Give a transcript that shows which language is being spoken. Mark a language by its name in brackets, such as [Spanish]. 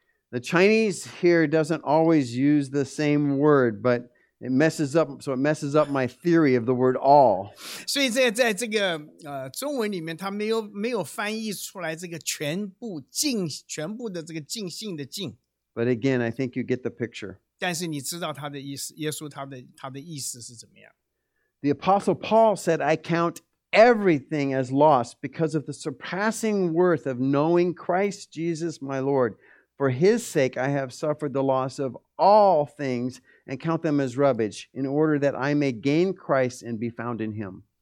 [English] The Chinese here doesn't always use the same word, but it messes up, so it messes up my theory of the word all. [Chinese] 所以在这个中文里面，它没有翻译出来这个全部的这个尽性的尽。 [English] But again, I think you get the picture. [Chinese] 但是你知道他的意思，耶稣他的意思是怎么样？ [English] The Apostle Paul said, I count everything as loss because of the surpassing worth of knowing Christ Jesus my Lord. For his sake, I have suffered the loss of all things and count them as rubbish in order that I may gain Christ and be found in him.